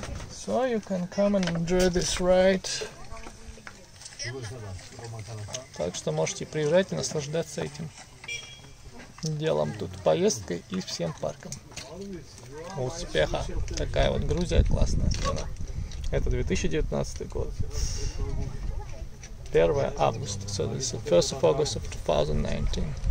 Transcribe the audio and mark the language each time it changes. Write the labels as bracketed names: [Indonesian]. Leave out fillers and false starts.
[English] So you can come and enjoy this ride. [Russian] Так что можете приезжать и наслаждаться этим делом тут, поездкой и всем парком. Успеха! Такая вот Грузия классная страна. Это 2019 год. 1 августа. [English] So this is the 1st of August of 2019.